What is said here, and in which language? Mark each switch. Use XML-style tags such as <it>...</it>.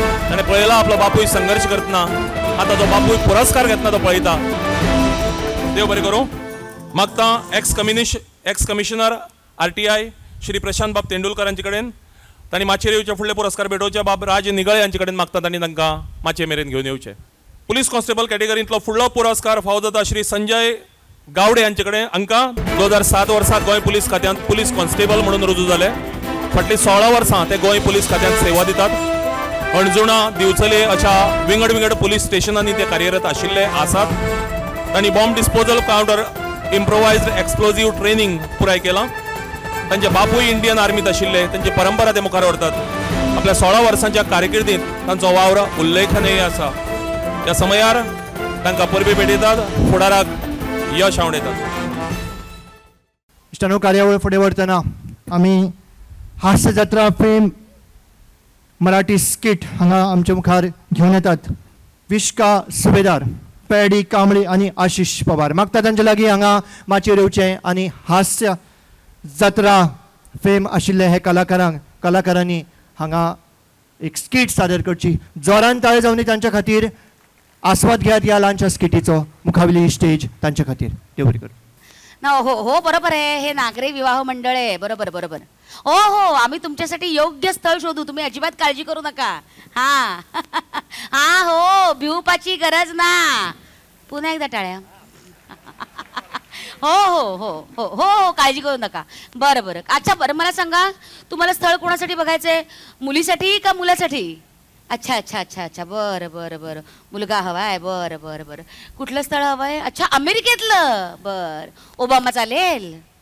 <kok>ताणें पळयला आपलो बापूय संघर्श करतना आतां तो बापूय पुरस्कार घेतना तो पळयता. देव बरें करूं. मागतां एक्स कमिशनर RTI श्री प्रशांत बाब तेंडुलकरांचे कडेन ताणें माचेर येवचे फुडले पुरस्कार भेटोवचे. बाब राज निगळे हांचे कडेन मागतां ताणें तांकां माचे मेरेन घेवन येवचे. पुलीस कॉन्स्टेबल कॅटेगरींतलो फुडलो पुरस्कार फावो जाता श्री संजय गावडे हांचे कडेन. हांकां 2007 गोंय पुलीस खात्यांत पुलीस कॉन्स्टेबल म्हणून रुजू जाले. फाटलीं 16 ते गोंय पुलीस खात्यांत सेवा दितात. अणजुणा दिवचले अशा विंगड पुलीस स्टेशनांनी ते कार्यरत आशिल्ले आसात. तांणी बॉम्ब डिस्पोजल काउंटर इम्प्रोवायज एक्सप्लोजीव ट्रेनींग पुराय केलां. तांचे बापूय इंडियन आर्मीत आशिल्ले. तांची परंपरा ते मुखार व्हरतात. आपल्या 16 कारकिर्दींत तांचो वावर उल्लेखनीय आसा. ह्या समयार तांकां परबी भेटयतात फुडाराक यश आवडयतात. इश्टानो कार्यावळ फुडें व्हरतना आमी हास्य जात्रा फिल्म मराठी स्किट हांगा आमच्या मुखार घेवन येतात. विश्का सुभेदार पेडी कांबळी आनी आशिश पवार मागता तांचे लागी हांगा माचेर येवचे आनी हास्य जात्रा फिल्म आशिल्ले हे कलाकारांनी हांगा एक स्किट सादर करची. जोरान ताळे जावनी तांच्या खातीर आस्वाद घेयात ह्या ल्हानशा स्किटीचो मुखावली स्टेज तांच्या खातीर. देव बरें करूं</kok> <mr>ना. हो हो बरोबर आहे. हे नागरी विवाह मंडळ आहे. बरोबर बरोबर. ओ हो आम्ही तुमच्यासाठी योग्य स्थळ शोधू. तुम्ही अजिबात काळजी करू नका.</mr> <kok>हां हां हो भिवपाची गरज ना.</kok> <mr>पुन्हा एकदा टाळ्या. हो हो हो हो हो काळजी करू नका. बरं बरं. अच्छा बरं मला सांगा तुम्हाला स्थळ कोणासाठी बघायचं आहे. मुलीसाठी का मुलासाठी. अच्छा अच्छा अच्छा अच्छा बरं बरं बरं. मुलगा हवा आहे. बरं बरं बरं. कुठलं स्थळ हवं आहे. अच्छा अमेरिकेतलं. बरं ओबामा चालेल.</mr>